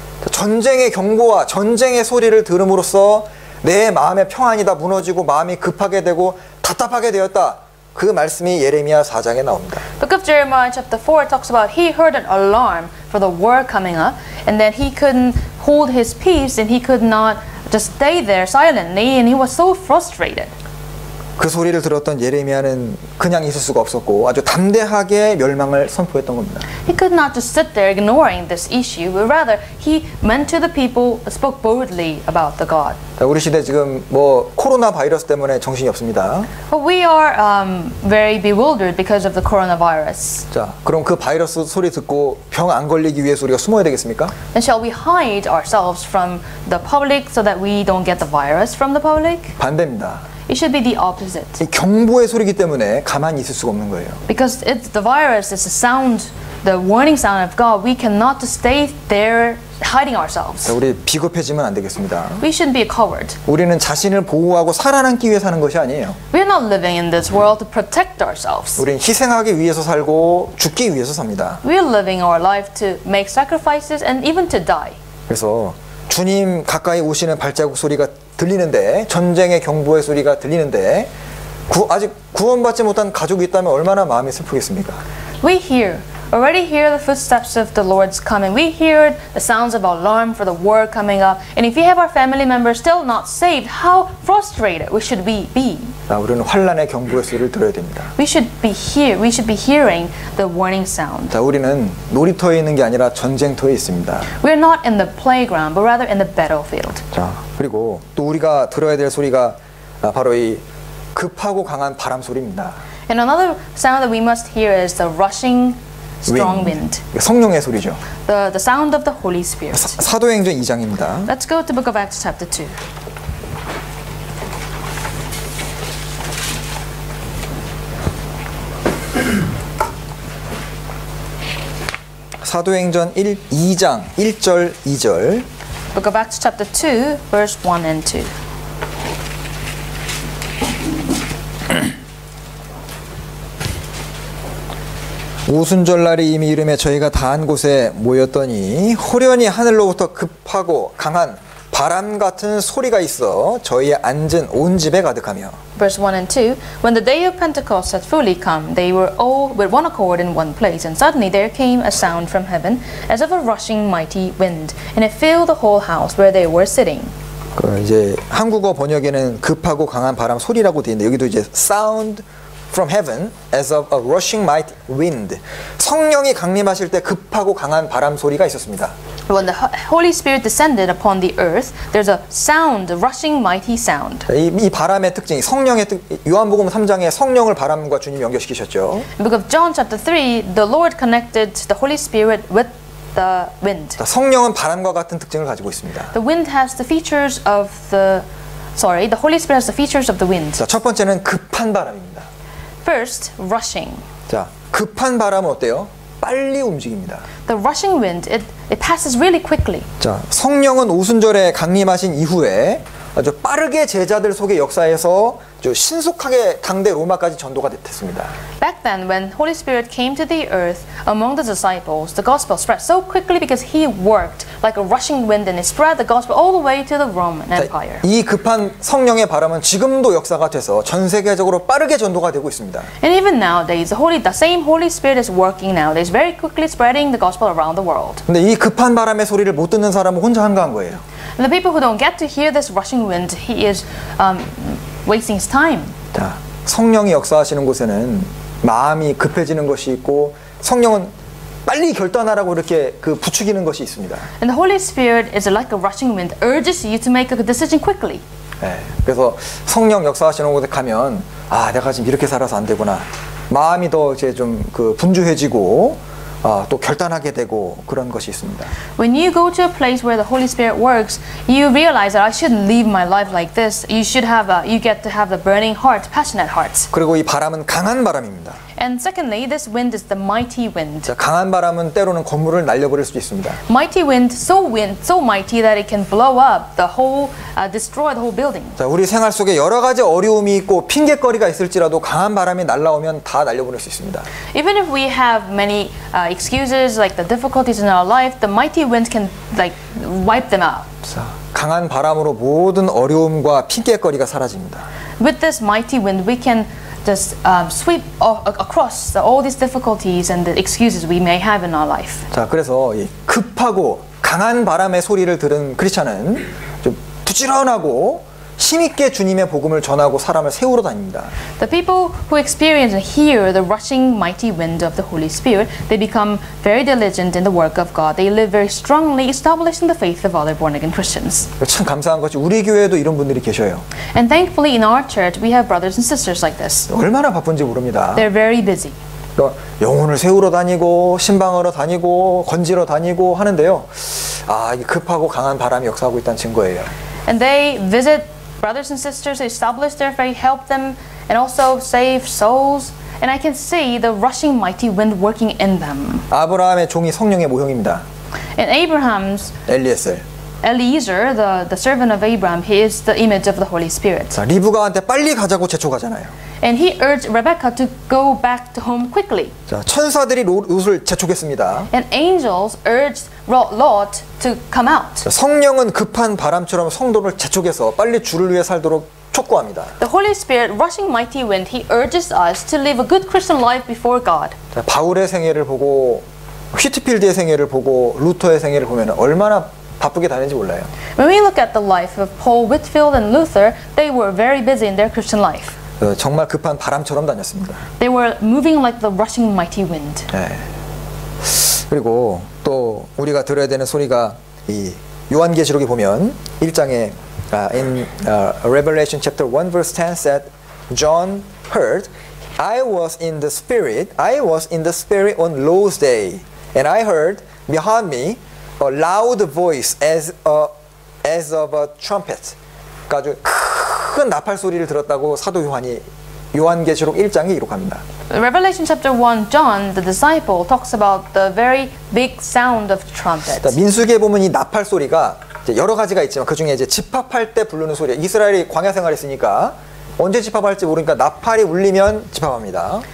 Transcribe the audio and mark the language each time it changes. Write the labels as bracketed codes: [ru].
[ko] 전쟁의 경고와 전쟁의 소리를 들음으로써 내 마음의 평안이 다 무너지고 마음이 급하게 되고 답답하게 되었다. 그 말씀이 예레미야 4장에 나옵니다. [en] Book of Jeremiah chapter 4 talks about he heard an alarm for the war coming up and then he couldn't hold his peace and he could not just stay there silently and he was so frustrated. [ko] 그 소리를 들었던 예레미야는 그냥 있을 수가 없었고 아주 담대하게 멸망을 선포했던 겁니다. [en] He could not just sit there ignoring this issue, but rather he went to the people, spoke boldly about the God. [ko] 우리 시대 지금 뭐 코로나 바이러스 때문에 정신이 없습니다. [en] But we are very bewildered because of the coronavirus. [ko] 자, 그럼 그 바이러스 소리 듣고 병 안 걸리기 위해서 우리가 숨어야 되겠습니까? [en] And shall we hide ourselves from the public so that we don't get the virus from the public? [ko] 반대입니다. [en] It should be the opposite. [ko] 경보의 소리이기 때문에 가만히 있을 수가 없는 거예요. [en] Because it's the virus is a sound, the warning sound of God. We cannot just stay there hiding ourselves. [ko] 우리 비겁해지면 안 되겠습니다. [en] We shouldn't be a coward. [ko] 우리는 자신을 보호하고 살아남기 위해 사는 것이 아니에요. [en] We are not living in this world to protect ourselves. [ko] 우리는 희생하기 위해서 살고 죽기 위해서 삽니다. [en] We are living our life to make sacrifices and even to die. [ko] 그래서 주님 가까이 오시는 발자국 소리가 들리는데 전쟁의 경보의 소리가 들리는데 아직 구원받지 못한 가족이 있다면 얼마나 마음이 슬프겠습니까? [en] We hear already hear the footsteps of the Lord's coming. We hear the sounds of alarm for the war coming up. And if we have our family members still not saved, how frustrated we should be. [ko] 자, 우리는 환란의 경고의 소리를 들어야 됩니다. [en] We should be hearing the warning sound. [ko] 자, 우리는 놀이터에 있는 게 아니라 전쟁터에 있습니다. [en] We are not in the playground, but rather in the battlefield. [ko] 자, 그리고 또 우리가 들어야 될 소리가 바로 이 급하고 강한 바람 소리입니다. [en] And another sound that we must hear is the rushing strong wind. [ko] 성령의 소리죠. [en] The sound of the Holy Spirit. [ko] 사도행전 2장입니다. [en] Let's go to the book of Acts chapter 2. [ko] 사도행전 2장 1절 2절. [en] Book of Acts chapter 2 verse 1 and 2. [ko] 오순절날이 이미 이르매 저희가 다한 곳에 모였더니 홀연히 하늘로부터 급하고 강한 바람 같은 소리가 있어 저희의 앉은 온 집에 가득하며. [en] Verse 1 and 2. When the day of Pentecost had fully come, they were all with one accord in one place, and suddenly there came a sound from heaven as of a rushing mighty wind, and it filled the whole house where they were sitting. [ko] 그 이제 한국어 번역에는 급하고 강한 바람 소리라고 돼 있는데 여기도 이제 [en] sound from heaven as of a rushing mighty wind. [ko] 성령이 강림하실 때 급하고 강한 바람 소리가 있었습니다. [en] When the Holy Spirit descended upon the earth, there's a sound, a rushing mighty sound. [ko] 이 바람의 특징이 성령의 요한복음 3장에 성령을 바람과 주님 연결시키셨죠. [en] In book of John chapter 3, the Lord connected the Holy Spirit with the wind. [ko] 성령은 바람과 같은 특징을 가지고 있습니다. [en] The wind has the features of the sorry, the Holy Spirit has the features of the wind. [ko] 첫 번째는 급한 바람입니다. [en] First, rushing. [ko] 자, 급한 바람은 어때요? 빨리 움직입니다. [en] The rushing wind, it passes really quickly. [ko] 자, 성령은 오순절에 강림하신 이후에 아주 빠르게 제자들 속에 역사해서 아주 신속하게 당대 로마까지 전도가 됐습니다. [en] Back then, when Holy Spirit came to the earth among the disciples, the gospel spread so quickly because He worked like a rushing wind and it spread the gospel all the way to the Roman Empire. [ko] 이 급한 성령의 바람은 지금도 역사가 돼서 전 세계적으로 빠르게 전도가 되고 있습니다. [en] And even nowadays, the same Holy Spirit is working now. It's very quickly spreading the gospel around the world. [ko] 근데 이 급한 바람의 소리를 못 듣는 사람은 혼자 한가한 거예요. [en] And the people who don't get to hear this rushing wind, he is wasting his time. [ko] 자, 성령이 역사하시는 곳에는 마음이 급해지는 것이 있고 성령은 빨리 결단하라고 이렇게 그 부추기는 것이 있습니다. [en] And the Holy Spirit is like a rushing wind, urges you to make a decision quickly. [ko] 네, 그래서 성령 역사하시는 곳에 가면 아, 내가 지금 이렇게 살아서 안 되구나. 마음이 더 이제 좀 그 분주해지고 또 결단하게 되고 그런 것이 있습니다. [en] When you go to a place where the Holy Spirit works, you realize that I shouldn't live my life like this. You get to have the burning heart, passionate heart. [ko] 그리고 이 바람은 강한 바람입니다. [en] And secondly, this wind is the mighty wind. [ko] 자, 강한 바람은 때로는 건물을 날려버릴 수도 있습니다. [en] Mighty wind, so mighty that it can blow up the whole, destroy the whole building. [ko] 자, 우리 생활 속에 여러 가지 어려움이 있고 핑계거리가 있을지라도 강한 바람이 날라오면 다 날려버릴 수 있습니다. [en] Even if we have many excuses like the difficulties in our life, the mighty wind can like wipe them out. [ko] 자, 강한 바람으로 모든 어려움과 핑계거리가 사라집니다. [en] With this mighty wind, we can just sweep across all these difficulties and the excuses we may have in our life. [ko] 자, 그래서 이 급하고 강한 바람의 소리를 들은 크리스천은 좀 부지런하고 힘있게 주님의 복음을 전하고 사람을 세우러 다닙니다. [en] The people who experience and hear the rushing mighty wind of the Holy Spirit, they become very diligent in the work of God. They live very strongly, establishing the faith of other born-again Christians. [ko] 참 감사한 것이 우리 교회에도 이런 분들이 계셔요. [en] And thankfully, in our church, we have brothers and sisters like this. [ko] 얼마나 바쁜지 모릅니다. [en] They're very busy. [ko] 영혼을 세우러 다니고 신방하러 다니고 건지러 다니고 하는데요. 아, 급하고 강한 바람이 역사하고 있다는 증거예요. [en] And they visit brothers and sisters, establish their faith, help them, and also save souls. And I can see the rushing mighty wind working in them. [ko] 아브라함의 종이 성령의 모형입니다. [en] And Abraham's Eliezer, the servant of Abraham, he is the image of the Holy Spirit. [ko] 자, 리브가한테 빨리 가자고 재촉하잖아요. [en] And he urged Rebecca to go back to home quickly. [ko] 자, 천사들이 롯을 재촉했습니다. [en] And angels urged Lot to come out. [ko] 성령은 급한 바람처럼 성도를 재촉해서 빨리 주를 위해 살도록 촉구합니다. [en] The Holy Spirit, rushing mighty wind, he urges us to live a good Christian life before God. [ko] 바울의 생애를 보고 휘트필드의 생애를 보고 루터의 생애를 보면 얼마나 바쁘게 다니는지 몰라요. [en] When we look at the life of Paul, Whitfield, and Luther, they were very busy in their Christian life. [ko] 정말 급한 바람처럼 다녔습니다. [en] They were moving like the rushing mighty wind. [ko] 네. 그리고 또 우리가 들어야 되는 소리가 이 요한계시록에 보면 1장에 [en] in Revelation chapter 1 verse 10 said John heard I was in the spirit on Lord's day and I heard behind me a loud voice as of a trumpet. [ko] 아주 큰 나팔 소리를 들었다고 사도 요한이 요한계시록 1장에 기록합니다. [en] Revelation chapter 1, John the disciple talks about the very big sound of trumpet. [ko] 민수기에 보면 이 나팔 소리가 여러 가지가 있지만 그 중에 이제 집합할 때 부르는 소리. 이스라엘이 광야 생활했으니까 언제 집합할지 모르니까 나팔이 울리면 집합합니다.